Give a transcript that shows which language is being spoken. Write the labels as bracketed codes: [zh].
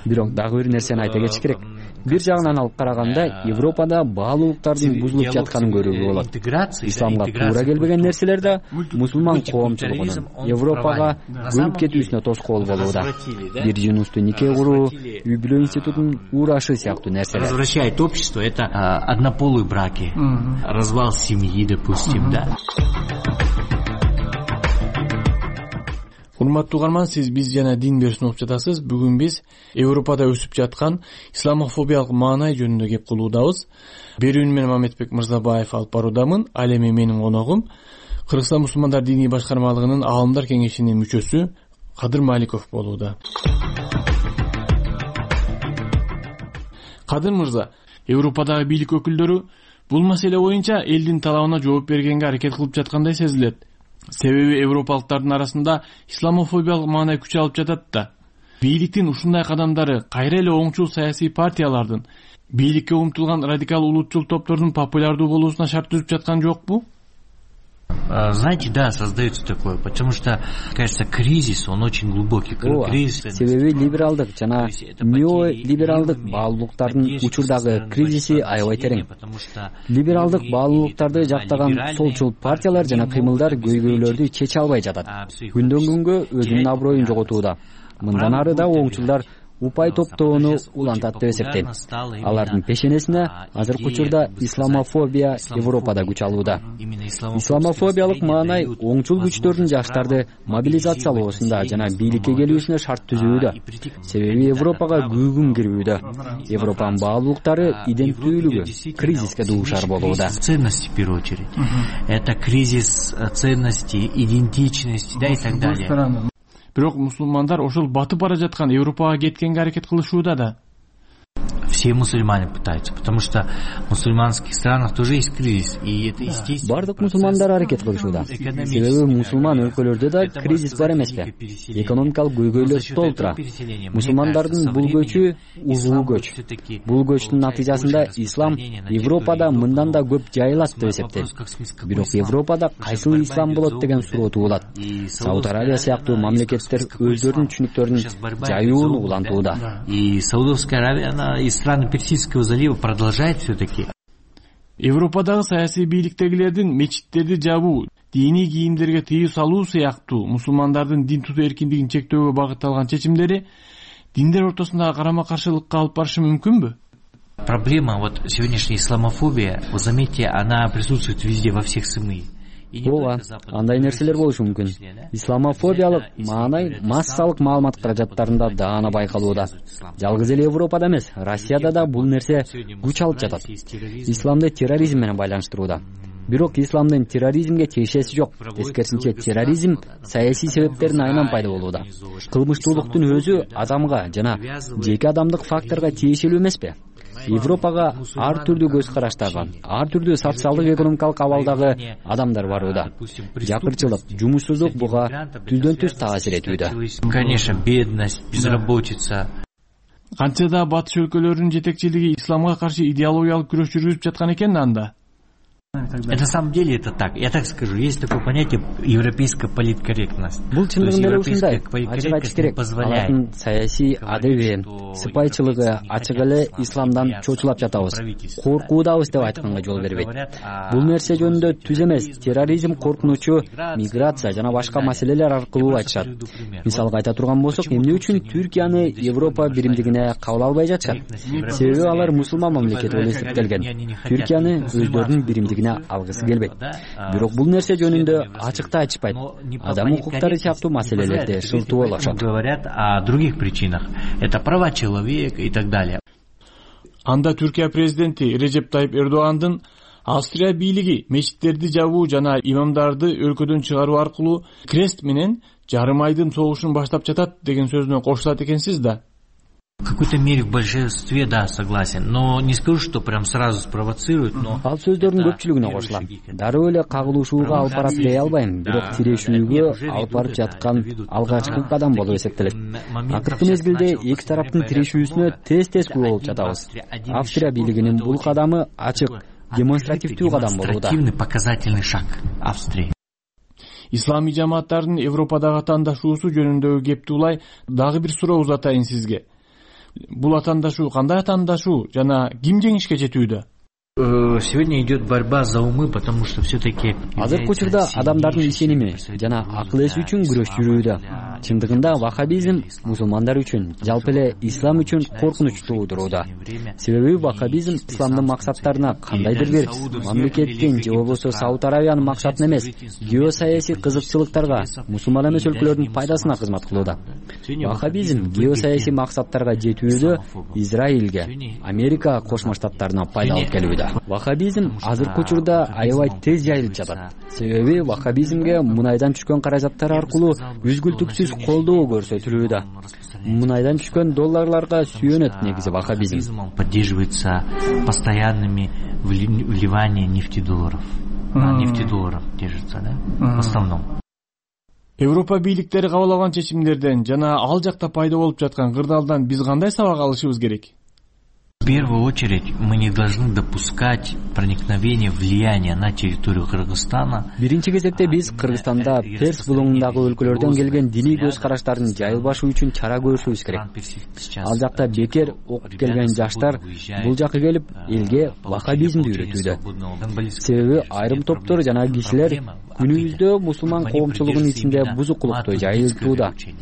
[ky] Бирок дагы бир нерсени айта кетиш керек. Бир жагынан алып караганда Европада баалуулуктардын бузулуп жатканын көрүүгө болот. Исламга туура келбеген нерселер да мусулман коомчулугунун Европага көнүп кетүүсүнө тоскоол болууда. Бир жынысты нике куруу, үй бүлө институтун урашы сыяктуу нерселер. [ru] Развращает общество это однополые браки. Развал семьи, допустим, да. [ky] Урматтуу угарман, сиз биз жана дин берүүнү угуп жатасыз. Бүгүн биз Европада өсүп жаткан исламофобиялык маанай жөнүндө кеп кылуудабыз. Берүүнү мен Мамытбек Мырзабаев алып баруудамын. Ал эми менин коногум Кыргызстан мусулмандар диний башкармалыгынын аалымдар кеңешинин мүчөсү Кадыр Маликов болууда. Кадыр Мырза, Европадагы бийлик өкүлдөрү бул маселе боюнча элдин талабына жооп бергенге аракет кылып жаткандай сезилет. Себеби европалыктардын арасында исламофобиялык маанай күч алып жатат да. Бийликтин ушундай кадамдары кайра эле оңчул саясий партиялардын, бийликке умтулган радикал улутчул топтордун популярдуу болуусуна шарт түзүп жаткан жокпу? [ru] Знаете, да, создается такое, потому что, кажется, кризис, он очень глубокий. [ky] Ооба, себеби либералдык жана неолибералдык баалуулуктардын учурдагы кризиси аябай терең. Либералдык баалуулуктарды жактаган солчул партиялар жана кыймылдар көйгөйлөрдү чече албай жатат. Күндөн күнгө өзүнүн аброюн жоготууда. Мындан ары да оңчулдар упай топтоону улантат деп эсептейм. Алардын пешенесине азыркы учурда исламофобия Европада күч алууда. Исламофобиялык маанай оңчул күчтөрдүн жаштарды мобилизациялоосунда жана бийликке келүүсүнө шарт түзүүдө. Себеби Европага күүгүм кирүүдө. Европанын баалуулуктары идентүүлүгү кризиске дуушар болууда. [ru] Ценности в первую очередь. Это кризис ценностей, идентичности, да и так далее. [ky] Бирок мусулмандар ошол батып бара жаткан Европага кеткенге аракет кылышууда да. [ru] все мусульмане пытаются, потому что в мусульманских странах тоже есть кризис, и это естественно. [ky] Бардык мусульмандар аракет кылышууда. Себеби мусульман өлкөлөрдө да кризис бар эмеспи? Экономикалык көйгөйлөр толтура. Мусульмандардын бул көчү узуу көч. Бул көчтүн натыйжасында ислам Европада мындан да көп жайылат деп эсептейт. Бирок Европада кайсыл ислам болот деген суроо туулат. Сауд Аравия сыяктуу мамлекеттер өздөрүнүн түшүнүктөрүн жайууну улантууда. [ru] Саудовская Аравия, она из страны Персидского залива продолжает все-таки. [ky] Европадагы саясий бийликтегилердин мечиттерди жабуу, диний кийимдерге тыюу салуу сыяктуу мусулмандардын дин туту эркиндигин чектөөгө багытталган чечимдери диндер ортосундагы карама-каршылыкка алып барышы мүмкүнбү? [ru] Проблема вот сегодняшняя исламофобия, вы заметьте, она присутствует везде во всех СМИ. [ky] Ооба, андай нерселер болушу мүмкүн. Исламофобиялык маанай массалык маалымат каражаттарында даана байкалууда. Жалгыз эле Европада эмес, Россияда да бул нерсе күч алып жатат. Исламды терроризм менен байланыштырууда. Бирок исламдын терроризмге тиешеси жок. Тескерисинче, терроризм саясий себептердин айынан пайда болууда. Кылмыштуулуктун өзү адамга жана жеке адамдык факторго тиешелүү эмеспи? Европага ар түрдүү көз караштагы, ар түрдүү социалдык экономикалык абалдагы адамдар барууда. Жакырчылык, жумушсуздук буга түздөн-түз таасир этүүдө. Конечно, бедность, безработица. Канча да батыш өлкөлөрүнүн жетекчилиги исламга каршы идеологиялык күрөш жүргүзүп жаткан экен анда. [ru] На самом деле это так. Я так скажу, есть такое понятие европейская политкорректность. [ky] Бул чындыгында эле ушундай. Ачык айтылат. Саясий адеби, сыпайчылыгы ачык эле исламдан чочулап жатабыз. Коркуудабыз деп айтканга жол бербейт. Бул нерсе жөнүндө түз эмес. Терроризм коркунучу, миграция жана башка маселелер аркылуу айтышат. Мисалга айта турган болсок, эмне үчүн Түркияны Европа биримдигине кабыл албай жатышат? Себеби алар мусулман мамлекет болуп эсептелген. Түркияны өздөрүнүн бирим дигине алгысы келбейт. Бирок бул нерсе жөнүндө ачыкта айтышпайт. Адам укуктары сыяктуу маселелерде шылтоолашат. [ru] Говорят о других причинах. Это права человека и так далее. [ky] Анда Түркия президенти Режеп Тайып Эрдогандын Австрия бийлиги мечиттерди жабуу жана имамдарды өлкөдөн чыгаруу аркылуу крест менен жарым айдын согушун баштап жатат деген сөзүнө кошулат экенсиз да? [ru] В какой-то мере в большинстве, да, согласен. Но не скажу, что прям сразу спровоцируют, но... [ky] Ал сөздөрүн көпчүлүгүнө кошулам. Дароо эле кагылышууга алып барат дей албайм, бирок тирешүүгө алып барып жаткан алгачкы кадам болуп эсептелет. Акыркы мезгилде эки тараптын тирешүүсүнө тез-тез күбө болуп жатабыз. Австрия бийлигинин бул кадамы ачык, демонстративдүү кадам болууда. [ru] Демонстративный показательный шаг Австрии. [ky] Ислам жамааттарынын Европадагы атаандашуусу жөнүндөгү кепти улай дагы бир суроо узатайын сизге. Бул атаандашуу кандай атаандашуу жана ким жеңишке жетүүдө? [ru] Сегодня идет борьба за умы, потому что все-таки... [ky] Азыркы учурда адамдардын ишеними жана акыл эси үчүн күрөш жүрүүдө. Чындыгында вахабизм мусулмандар үчүн, жалпы эле ислам үчүн коркунуч туудурууда. Себеби вахабизм исламдын максаттарына кандайдыр бир мамлекеттин же болбосо Сауд Аравиянын максатына эмес, геосаясий кызыкчылыктарга мусулман эмес өлкөлөрдүн пайдасына кызмат кылууда. Вахабизм геосаясий максаттарга жетүүдө Израилге, Америка Кошмо Штаттарына пайдалы келет. Вахабизм азыркы учурда аябай тез жайылып жатат. Себеби вахабизмге мунайдан түшкөн каражаттар аркылуу үзгүлтүксүз колдоо көрсөтүлүүдө. Мунайдан түшкөн долларларга сүйөнөт негизи вахабизм. [ru] Поддерживается постоянными вливаниями нефтедолларов. Нефтедолларов держится, да? В основном. [ky] Европа бийликтери кабыл алган чечимдерден жана ал жакта пайда болуп жаткан кырдаалдан биз кандай сабак алышыбыз керек? [ru] В первую очередь, мы не должны допускать проникновения влияния на территорию Кыргызстана. [ky] Биринчи кезекте биз Кыргызстанда перс булуңундагы өлкөлөрдөн келген диний көз караштарын жайылбашы үчүн чара көрүшүбүз керек. Ал жакта бекер окуп келген жаштар бул жакка келип, элге вахабизмди үйрөтүүдө. Себеби айрым топтор жана кишилер күнүбүздө мусулман коомчулугунун ичинде бузукулукту жайылтууда.